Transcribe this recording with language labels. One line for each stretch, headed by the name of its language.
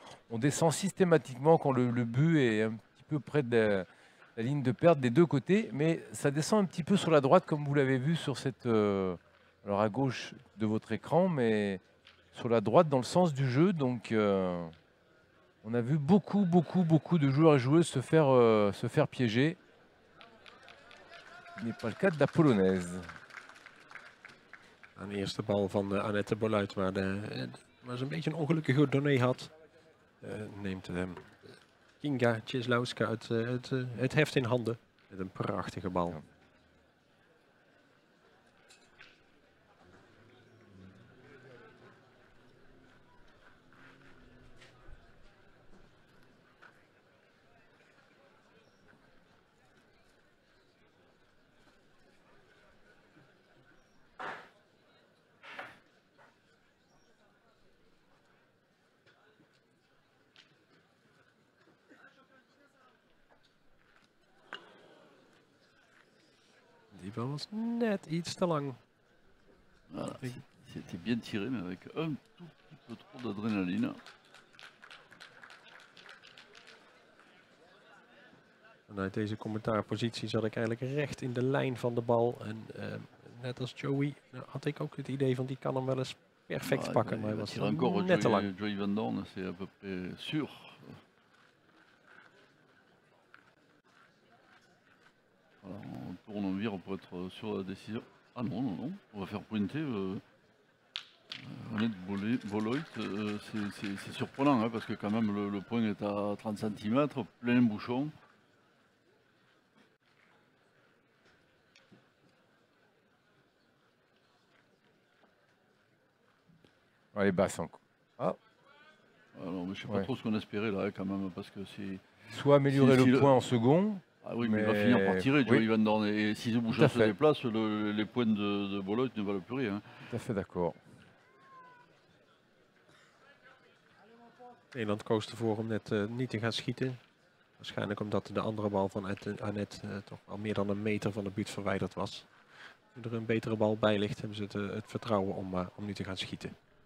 French: On descend systématiquement quand le but est un petit peu près de la ligne de perte des deux côtés, mais ça descend un petit peu sur la droite comme vous l'avez vu sur cette alors à gauche de votre écran, mais sur la droite dans le sens du jeu. Donc on a vu beaucoup de joueurs et joueuses se faire piéger. N'est pas le cas de la polonaise.
Dutch: Een eerste bal van Annette Boluit, waar ze een beetje een ongelukkige donné had, neemt Kinga Cieslowska het heft in handen met een prachtige bal. Dat was net iets te lang. C'était bien tiré, mais avec un tout petit peu trop d'adrénaline. Vanuit deze commentaarpositie zat ik eigenlijk recht in de lijn van de bal. En net als Joey had ik ook het idee van die kan hem wel eens perfect pakken. Maar hij was net te lang.
French: Joey van Dorn, c'est à peu près sûr. On tourne, on vire pour être sûr de la décision. Ah non, non, non, on va faire pointer. Annette Boluit, c'est surprenant hein, parce que quand même le point est à 30 cm, plein bouchon. Allez, basse encore. Ah. Alors, mais je ne sais pas trop ce qu'on espérait là quand même parce que c'est. Soit améliorer le point en second. Ah oui, mais il va finir par tirer, Joey Van Dorn. Et si le bouchon se déplace, les points de Boluit ne valent plus rien. Tout à fait d'accord.
Dutch: Nederland koos ervoor om net niet te gaan schieten. Waarschijnlijk omdat de andere bal van Annette toch al meer dan een meter van de buurt verwijderd was. Nu er een betere bal bij ligt, hebben ze het vertrouwen om nu te gaan schieten.